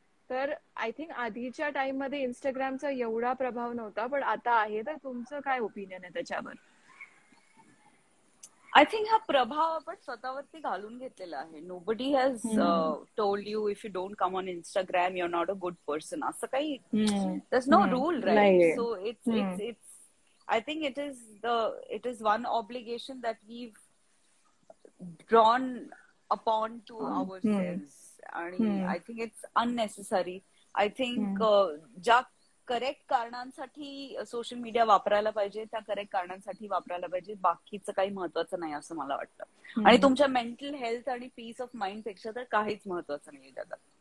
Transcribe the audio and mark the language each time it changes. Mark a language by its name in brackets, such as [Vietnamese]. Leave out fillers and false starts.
[Marathi] तर [English] I think [Marathi] आधीच्या टाइममध्ये इंस्टाग्रामचा एवढा प्रभाव नव्हता, पण आता आहे. तर तुमचं काय ओपिनियन आहे त्याच्यावर? [English] I think [Marathi] हा प्रभाव आपण स्वतःवरती घालून घेतलेला आहे. [English] Nobody has told you if you don't come on Instagram you're not a good person. [Marathi] असं काही [English] there's no rule, right? So it's I think it is one obligation that we've drawn upon to ourselves. आणि I think it's unnecessary. I think [Marathi] ज्या correct कारणांसाठी social media वापरायला पाहिजे त्या correct कारणांसाठी वापरायला पाहिजे. बाकीचं काही महत्वाचं नाही असं मला वाटतं. आणि तुमच्या मेंटल हेल्थ आणि पीस ऑफ माइंड पेक्षा तर काहीच महत्वाचं नाही त्याचा.